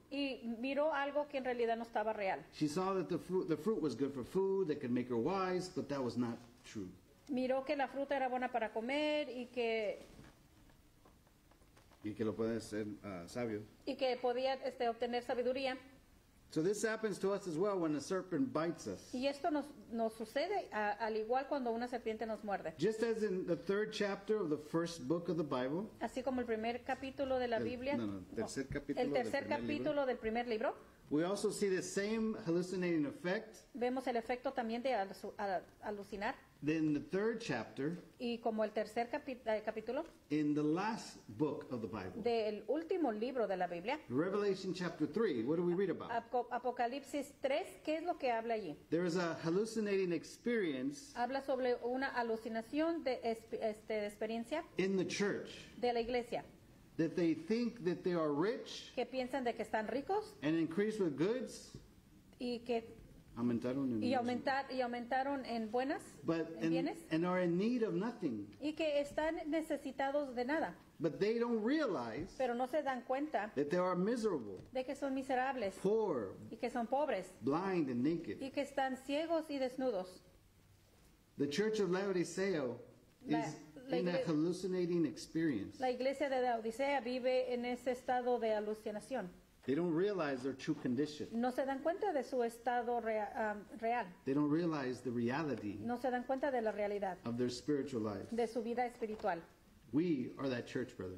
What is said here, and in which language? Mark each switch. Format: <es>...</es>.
<es>Y miró algo que en realidad no estaba real.</es> <en>She saw that the fruit was good for food, that could make her wise, but that was not true.</en> <es>Miró que la fruta era buena para comer y que lo puede ser sabio. Y que podía obtener sabiduría.</es> <en>So this happens to us as well when a serpent bites us.</en> <es>Y esto nos sucede al igual cuando una serpiente nos muerde.</es> <en>Just as in the third chapter of the first book of the Bible.</en> <es>Así como el primer capítulo de la Biblia. El tercer capítulo del primer libro.</es> <en>We also see the same hallucinating effect.</en> <es>Vemos el efecto también de alucinar.</es> <en>Then the third chapter.</en> <es>Y como el tercer capítulo.</es> <en>In the last book of the Bible.</en> <es>Del último libro de la Biblia.</es> <en>Revelation chapter 3. What do we read about?</en> <es>Apocalipsis 3. ¿Qué es lo que habla allí?</es> <en>There is a hallucinating experience.</en> <es>Habla sobre una alucinación de experiencia.</es> <en>In the church.</en> <es>De la iglesia.</es> <en>That they think that they are rich.</en> <es>Que piensan de que están ricos.</es> <en>And increased with goods.</en> <es>Y que aumentaron en buenas, en bienes,</es> <en>and are in need of nothing.</en> <es>Y que están necesitados de nada.</es> <en>But they don't realize,</en> <es>pero no se dan cuenta,</es> <en>that they are miserable,</en> <es>de que son miserables,</es> <en>poor,</en> <es>y que son pobres,</es> <en>blind and naked,</en> <es>y que están ciegos y desnudos.</es> <en>The Church of Laodicea is in a hallucinating experience.</en> <es>La iglesia de Laodicea vive en ese estado de alucinación.</es> <en>They don't realize their true condition.</en> <es>No se dan cuenta de su estado real.</es> <en>They don't realize the reality.</en> <es>No se dan cuenta de la realidad.</es> <en>Of their spiritual life.</en> <es>De su vida espiritual.</es> <en>We are that church, brother.</en>